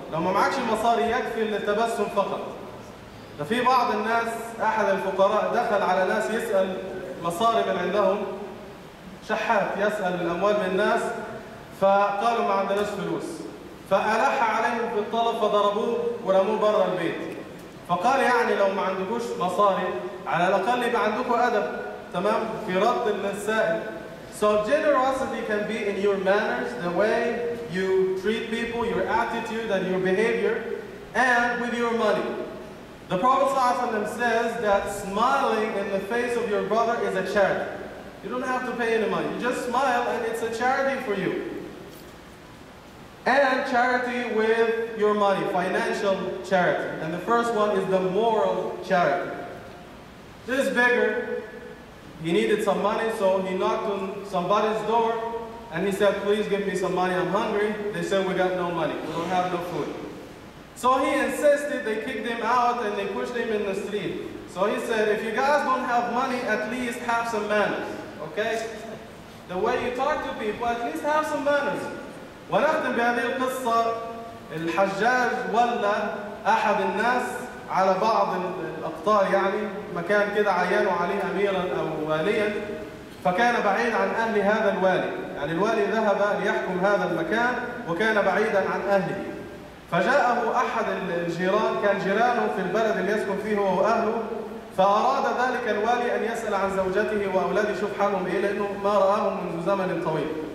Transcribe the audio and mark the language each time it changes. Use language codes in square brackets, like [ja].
[ar] لو ما معكش مصاري يكفي للتبسم فقط. ففي بعض الناس أحد الفقراء دخل على ناس يسأل مصاري من عندهم شحات يسأل الأموال من الناس فقالوا ما عندناش فلوس. فألح عليهم بالطلب فضربوه ورموه بره البيت. فقال يعني لو ما عندكوش مصاري على الأقل يبقى عندكم أدب تمام في رد السائل. [en] So generosity can be in your manners, the way you treat people, your attitude and your behavior, and with your money. The Prophet [ar] صلى الله عليه وسلم [en] says that smiling in the face of your brother is a charity. You don't have to pay any money. You just smile and it's a charity for you. And charity with your money, financial charity. And the first one is the moral charity. This beggar, he needed some money, so he knocked on somebody's door, and he said, please give me some money, I'm hungry. They said, we got no money, we don't have no food. So he insisted they kicked him out and they pushed him in the street. So he said, if you guys don't have money, at least have some manners, okay? The way you talk to people, at least have some manners. [ar] ونختم بهذه القصة الحجاج ولى أحد الناس على بعض الأقطار يعني مكان كده عينوا عليه أميرا أو واليا فكان بعيد عن أهل هذا الوالي يعني الوالي ذهب ليحكم هذا المكان وكان بعيدا عن أهله فجاءه أحد الجيران كان جيرانه في البلد اللي يسكن فيه هو وأهله فأراد ذلك الوالي أن يسأل عن زوجته وأولاده شوف حالهم إيه لأنه ما رآهم منذ زمن طويل